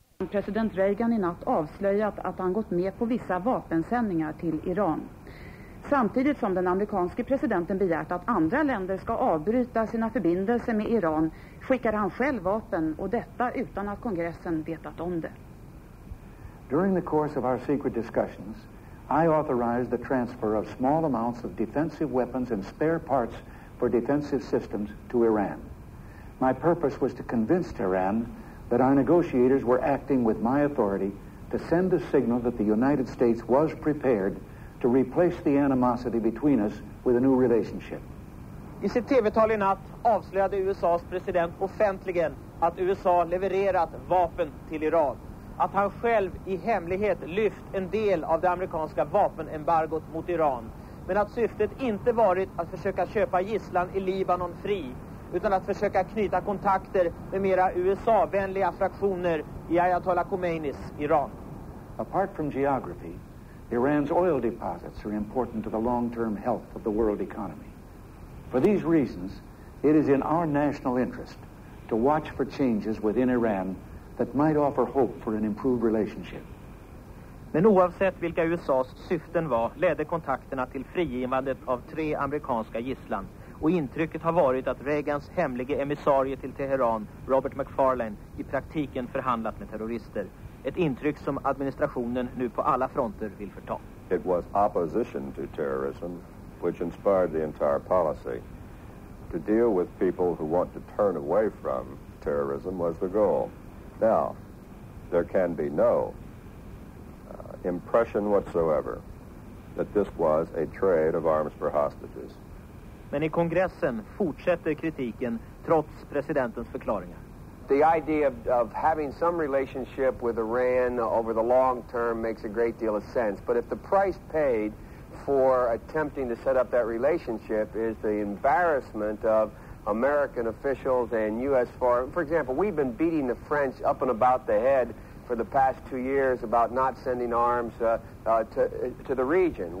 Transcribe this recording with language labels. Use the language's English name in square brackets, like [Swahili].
[Swedish] President Reagan i natt avslöjat att han gått med på vissa vapensändningar till Iran. Samtidigt som den amerikanske presidenten begärt att andra länder ska avbryta sina förbindelser med Iran skickar han själv vapen, och detta utan att kongressen vetat om det. [English] During the course of our secret discussions, I authorized the transfer of small amounts of defensive weapons and spare parts for defensive systems to Iran. My purpose was to convince Tehran that our negotiators were acting with my authority to send a signal that the United States was prepared to replace the animosity between us with a new relationship. [Swedish] I sitt TV-tal i natt avslöjade USA:s president offentligen att USA levererat vapen till Iran, att han själv i hemlighet lyft en del av det amerikanska vapenembargot mot Iran, men att syftet inte varit att försöka köpa gisslan i Libanon fri, utan att försöka knyta kontakter med mera USA-vänliga fraktioner i Ayatollah Khomeinis Iran. [English] Apart from geography, Iran's oil deposits are important to the long-term health of the world economy. For these reasons, it is in our national interest to watch for changes within Iran that might offer hope for an improved relationship. [Swedish] Men oavsett vilka USA:s syften var, ledde kontakterna till frigivandet av tre amerikanska gisslan. Och intrycket har varit att Reagans hemlige emissarie till Teheran, Robert McFarlane, i praktiken förhandlat med terrorister. Ett intryck som administrationen nu på alla fronter vill förta. [English] It was opposition to terrorism which inspired the entire policy. To deal with people who want to turn away from terrorism was the goal. Now, there can be no impression whatsoever that this was a trade of arms for hostages. [Swedish] Men i kongressen fortsätter kritiken trots presidentens förklaringar. [English] The idea of having some relationship with Iran over the long term makes a great deal of sense. But if the price paid for attempting to set up that relationship is the embarrassment of American officials and U.S. foreign... For example, we've been beating the French up and about the head for the past 2 years about not sending arms to the region.